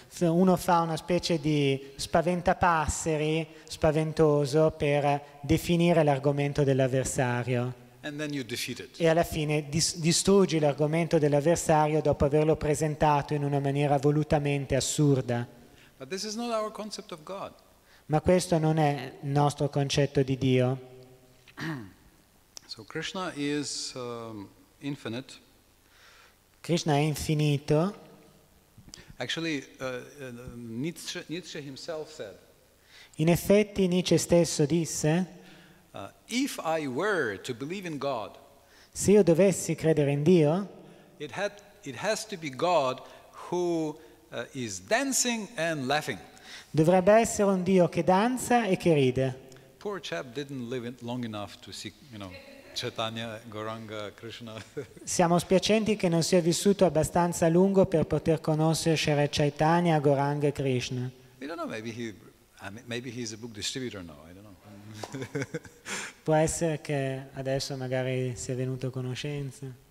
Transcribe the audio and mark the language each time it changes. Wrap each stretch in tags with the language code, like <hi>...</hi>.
<it>Uno fa una specie di spaventapasseri spaventoso per definire l'argomento dell'avversario.</it> <en>and then you defeat it.</en> <it>E alla fine distruggi l'argomento dell'avversario dopo averlo presentato in una maniera volutamente assurda.</it> <en>But this is not our concept of God.</en> <it>Ma questo non è il nostro concetto di Dio.</it> <en>So Krishna is infinite.</en> <it>Krishna è infinito.</it> <en>Actually, Nietzsche himself said.</en> <it>In effetti Nietzsche stesso disse.</it> <en>If I were to believe in God.</en> <it>Se io dovessi credere in Dio.</it> <en>It has to be God who is dancing and laughing.</en> <it>Dovrebbe essere un Dio che danza e che ride.</it> <en>Poor chap didn't live long enough to see, you know. Chaitanya, Gauranga, Krishna.</en> <it>Siamo spiacenti che non sia vissuto abbastanza lungo per poter conoscere Shri Chaitanya, Gauranga e Krishna.</it> <en>I don't know, maybe he's a book distributor now, I don't know.</en> <it>Può essere che adesso magari sia venuto a conoscenza.</it>